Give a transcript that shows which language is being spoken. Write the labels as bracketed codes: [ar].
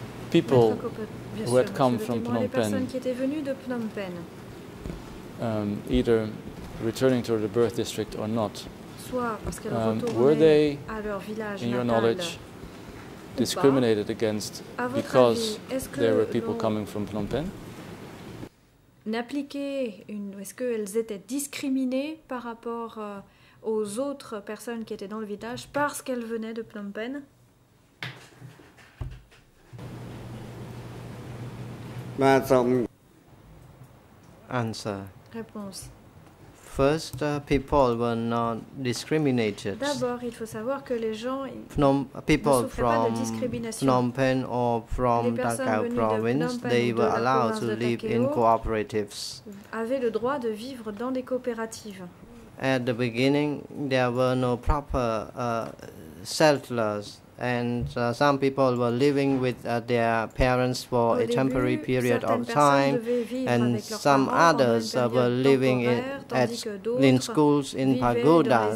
[en] People who had come from Phnom Penh, either returning to the birth district or not, were they, in your knowledge, discriminated against because there were people coming from Phnom Penh? [fr] Est-ce qu'elles étaient discriminées par rapport aux autres personnes qui étaient dans le village parce qu'elles venaient de Phnom Penh? [en] Answer. [fr] Réponse. [en] First, people were not discriminated. [fr] D'abord, il faut savoir que les gens [en] people from Phnom Penh or from Dakar province, they were allowed to live in cooperatives. [fr] Avaient le droit de vivre dans des coopératives. [en] At the beginning, there were no proper settlers. And some people were living with their parents for a temporary period of time, and some others were living in schools in pagoda.